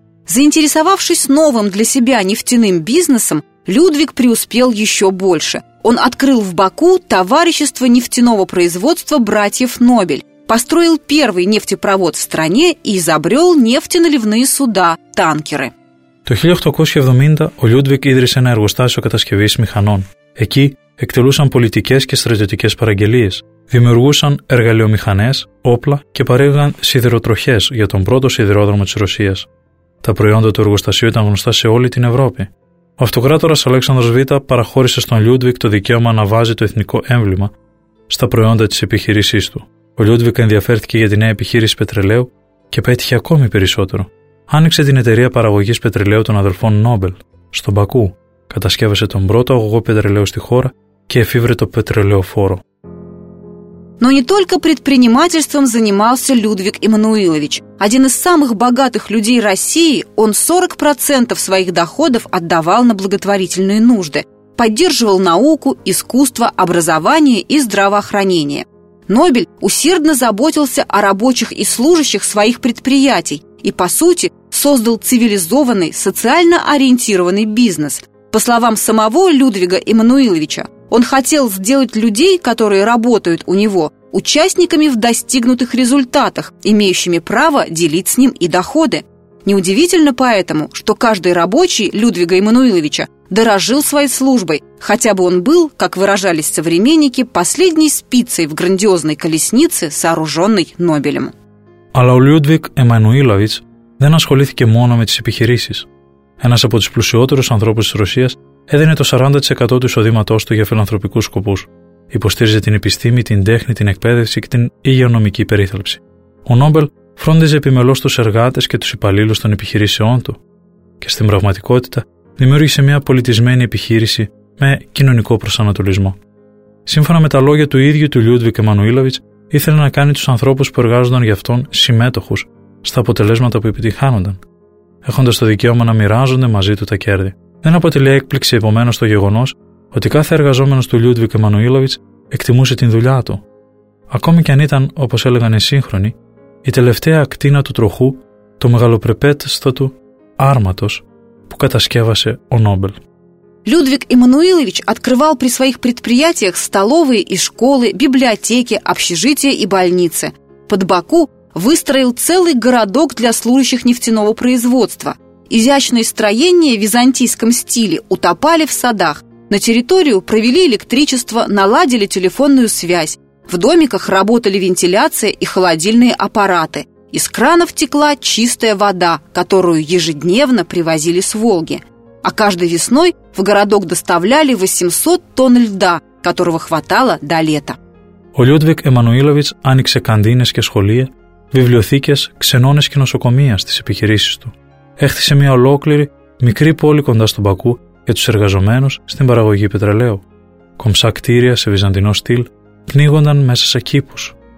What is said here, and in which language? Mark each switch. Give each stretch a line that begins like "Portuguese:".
Russian: Заинтересовавшись новым для себя нефтяным бизнесом, Людвиг преуспел еще больше. Он открыл в Баку товарищество нефтяного производства братьев Нобель, построил первый нефтепровод в стране и изобрел нефтеналивные суда, танкеры.
Greek: Το 1870 ο Λιούντβικ ίδρυσε ένα εργοστάσιο κατασκευής μηχανών. Εκεί εκτελούσαν πολιτικές και στρατιωτικές παραγγελίες, δημιουργούσαν εργαλειομηχανές, όπλα και παρήγαγαν σιδηροτροχές για τον πρώτο σιδηρόδρομο της Ρωσίας. Τα προϊόντα του εργοστασίου ήταν γνωστά σε όλη την Ευρώπη. Ο αυτοκράτορας Αλέξανδρος Β' παραχώρησε στον Λιούντβικ το δικαίωμα να βάζει το εθνικό έμβλημα στα προϊόντα της επιχείρησής του. Ο Λιούντβικ ενδιαφέρθηκε για τη νέα επιχείρηση πετρελαίου και πέτυχε ακόμη περισσότερο. Άνοιξε την εταιρεία παραγωγής πετρελαίου των αδελφών Νόμπελ, στον Μπακού, κατασκεύασε τον πρώτο αγωγό πετρελαίου στη χώρα και εφήβρε το πετρελαιοφόρο.
Russian: Но не только предпринимательством занимался Людвиг Эммануилович. Один из самых богатых людей России, он 40% своих доходов отдавал на благотворительные нужды. Поддерживал науку, искусство, образование и здравоохранение. Нобель усердно заботился о рабочих и служащих своих предприятий и, по сути, создал цивилизованный, социально ориентированный бизнес. По словам самого Людвига Эммануиловича, он хотел сделать людей, которые работают у него, участниками в достигнутых результатах, имеющими право делить с ним и доходы. Неудивительно поэтому, что каждый рабочий Людвига Эммануиловича дорожил своей службой, хотя бы он был, как выражались современники, последней спицей в грандиозной колеснице, сооруженной Нобелем.
Greek: Αλλά ο Λιούντβικ Εμμανουήλαβιτς δεν ασχολήθηκε μόνο με τις επιχειρήσεις. Ένας από τους πλουσιότερους ανθρώπους της Ρωσίας έδινε το 40% του εισοδήματός του για φιλανθρωπικούς σκοπούς. Υποστήριζε την επιστήμη, την τέχνη, την εκπαίδευση και την υγειονομική περίθαλψη. Ο Νόμπελ φρόντιζε επιμελώς τους εργάτες και τους υπαλλήλους των επιχειρήσεών του και στην πραγματικότητα δημιούργησε μια πολιτισμένη επιχείρηση με κοινωνικό προσανατολισμό. Σύμφωνα με τα λόγια του ίδιου του Λιούντβικ Εμμανουήλαβιτς, ήθελε να κάνει τους ανθρώπους που εργάζονταν για αυτόν συμμέτοχους στα αποτελέσματα που επιτυγχάνονταν, έχοντας το δικαίωμα να μοιράζονται μαζί του τα κέρδη. Δεν αποτελεί έκπληξη επομένως το γεγονός ότι κάθε εργαζόμενος του Λιούντβικ Εμμανουήλαβιτς εκτιμούσε την δουλειά του. Ακόμη και αν ήταν, όπως έλεγαν οι σύγχρονοι, η τελευταία ακτίνα του τροχού, το μεγαλοπρεπέστατο άρματος που κατασκεύασε ο Νόμπελ.
Russian: Людвиг Эммануилович открывал при своих предприятиях столовые и школы, библиотеки, общежития и больницы. Под Баку выстроил целый городок для служащих нефтяного производства. Изящные строения в византийском стиле утопали в садах. На территорию провели электричество, наладили телефонную связь. В домиках работали вентиляция и холодильные аппараты. Из кранов текла чистая вода, которую ежедневно привозили с Волги. А каждой весной в городок доставляли 800 тонн льда, которого хватало до лета.
Greek: Ο Λιούντβικ Εμμανουήλαβιτς άνοιξε καντίνες και σχολεία, βιβλιοθήκες, ξενώνες και νοσοκομεία στις επιχειρήσεις του. Έχτισε μια ολόκληρη μικρή πόλη κοντά στον Μπακού για τους εργαζομένους στην παραγωγή πετρελαίου. Κομψά κτίρια σε βυζαντινό στυλ πνίγονταν μέσα σε κήπους.